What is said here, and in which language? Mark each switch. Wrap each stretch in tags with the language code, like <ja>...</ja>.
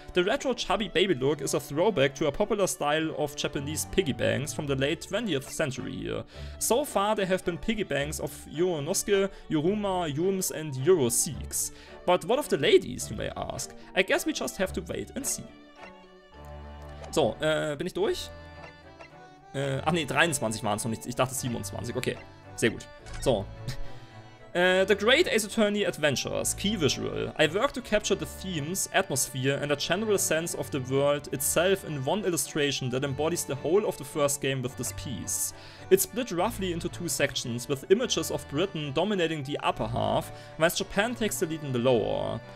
<en>The retro chubby baby look is a throwback to a popular style of Japanese piggy banks from the late 20th century. So far there have been piggy banks of Yuru-Nosuke, Yuruma, Yums and Yuru-Sieg's. But what of the ladies, you may ask? I guess we just have to wait and see.</en> <de>So, bin ich durch? 23 waren es noch nicht. Ich dachte 27. Okay. Sehr gut. So. The Great Ace Attorney Adventures. Key visual.</de> <en>I work to capture the themes, atmosphere, and a general sense of the world itself in one illustration that embodies the whole of the first game with this piece. It's split roughly into two sections, with images of Britain dominating the upper half, whilst Japan takes the lead in the lower.</en>